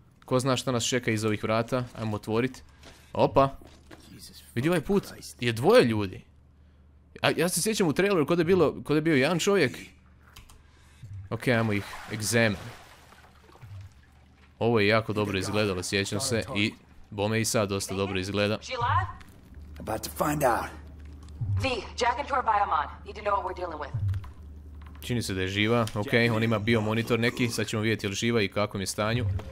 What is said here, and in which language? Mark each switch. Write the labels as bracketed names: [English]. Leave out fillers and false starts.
[Croatian] Ko zna šta nas čeka iza ovih vrata, ajmo otvorit. Opa, vidi ovaj put, je dvoje ljudi. Ja se sjećam u traileru kod je bio jedan čovjek. Okej, ajmo ih examine. Ovo je jako dobro izgledalo, sjećam se. I bome i sad dosta dobro izgleda. [English] About to find out. V, Jack and Tor Biomon. Need to know what we're dealing with. [Croatian] Čini se da je živa. Ok, on ima biomonitor neki. Sad ćemo vidjeti je li živa i kakvom je stanju.